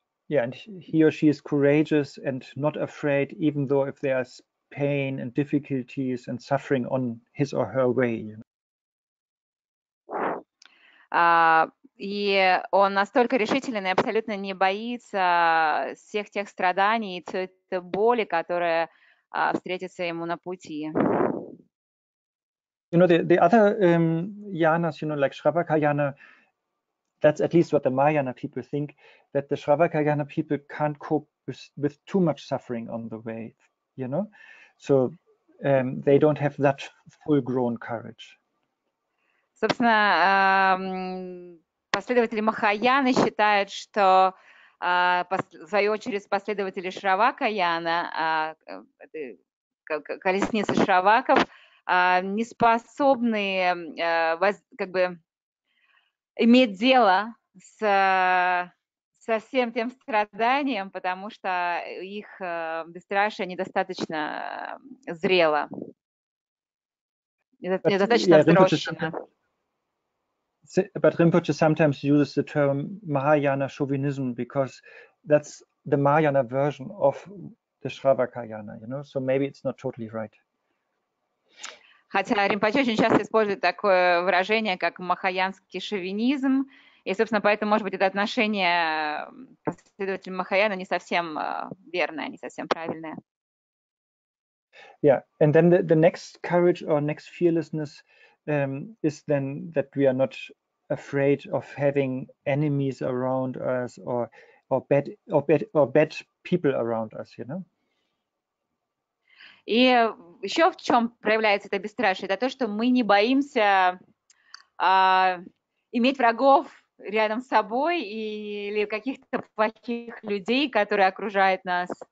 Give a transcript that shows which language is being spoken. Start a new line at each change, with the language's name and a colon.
English: Yeah, and he or she is courageous and not afraid, even though if there is pain and difficulties and suffering on his or her way.
Russian: И он настолько решительный, абсолютно не боится всех тех страданий и той боли, которая встретится ему на пути.
English: You know, the other yanas, you know, like Shravakayana, that's at least what the Mahayana people think, that the Shravakayana people can't cope with too much suffering on the way, you know? So they don't have that full-grown courage.
Russian: Собственно, последователи Махаяны считают, что, в свою очередь, последователи Шравакаяна, колесницы Шраваков, не способны как бы иметь дело со всем тем страданием, потому что их бесстрашие недостаточно зрело, недостаточно взрослено.
English: But Rinpoche sometimes uses the term Mahayana chauvinism because that's the Mahayana version of the Shravakayana, you know, so maybe it's not totally right.
Russian: Хотя Ринпоче очень часто использует такое выражение, как махаянский шовинизм, и, собственно, поэтому, может быть, это отношение к последователям Махаяна не совсем верное, не совсем правильное.
English: Yeah, and then the next courage or next fearlessness is then that we are not afraid of having enemies around us or bad people around us, you know.
Russian: И еще в чем проявляется это бесстрашие? Это то, что мы не боимся иметь врагов рядом с собой или каких-то плохих людей, которые окружают нас.